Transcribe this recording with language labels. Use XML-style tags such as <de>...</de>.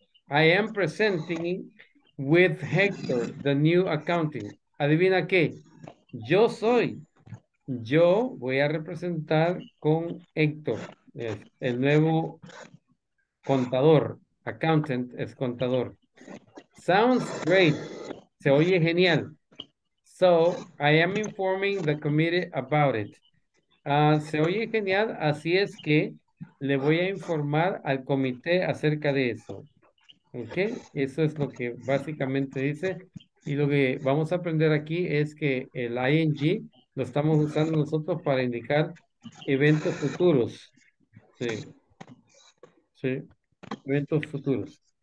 <en>I am presenting with Hector, the new accounting.</en> <es>Adivina qué. Yo voy a representar con Hector, el nuevo contador. Accountant es contador.</es> <en>Sounds great.</en> <es>Se oye genial.</es> <en>So, I am informing the committee about it.</en> <es>Se oye genial, así es que le voy a informar al comité acerca de eso. ¿Ok? Eso es lo que básicamente dice. Y lo que vamos a aprender aquí es que el ing lo estamos usando nosotros para indicar eventos futuros. Sí. Sí. Eventos futuros.</es>